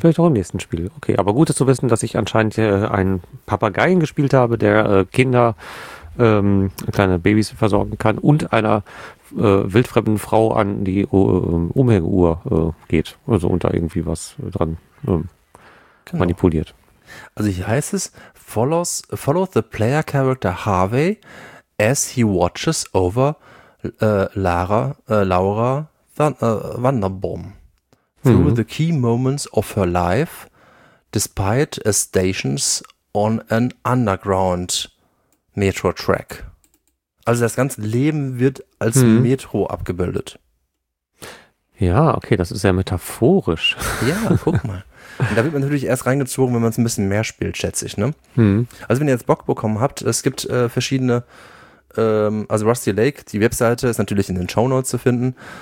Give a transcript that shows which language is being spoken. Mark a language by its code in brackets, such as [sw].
[de] vielleicht auch im nächsten Spiel. Okay, aber gut ist zu wissen, dass ich anscheinend einen Papageien gespielt habe, der Kinder, kleine Babys versorgen kann und einer wildfremden Frau an die Umhänguhr geht, also unter irgendwie was dran genau manipuliert. Also hier heißt es: [en] follow the player character Harvey as he watches over Laura Vanderbom through the key moments of her life despite a stations on an underground Metro Track. [de] Also das ganze Leben wird als Metro abgebildet. Ja, okay, das ist sehr metaphorisch. Ja, guck mal. Und da wird man natürlich erst reingezogen, wenn man es ein bisschen mehr spielt, schätze ich, ne? Also wenn ihr jetzt Bock bekommen habt, es gibt verschiedene, also Rusty Lake, die Webseite ist natürlich in den Shownotes zu finden.